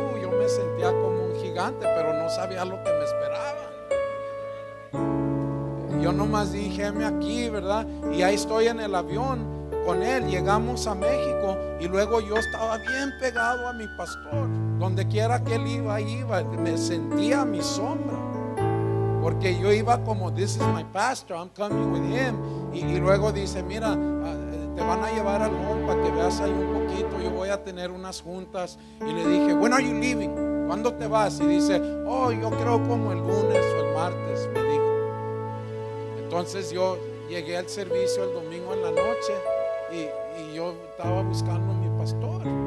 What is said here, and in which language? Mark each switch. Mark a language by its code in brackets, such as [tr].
[es] Yo me sentía como un gigante, pero no sabía lo que me esperaba. Yo nomás dije, heme aquí, ¿verdad? Y ahí estoy en el avión con él. Llegamos a México y luego yo estaba bien pegado a mi pastor. Donde quiera que él iba, iba. Me sentía mi sombra. Porque yo iba como, [en] this is my pastor, I'm coming with him. [es] Y luego dice, mira, te van a llevar al home para que veas ahí un poquito. Yo voy a tener unas juntas. Y le dije, [en] when are you leaving? [es] ¿Cuándo te vas? Y dice, yo creo como el lunes o el martes, me dijo. Entonces yo llegué al servicio el domingo en la noche y yo estaba buscando a mi pastor.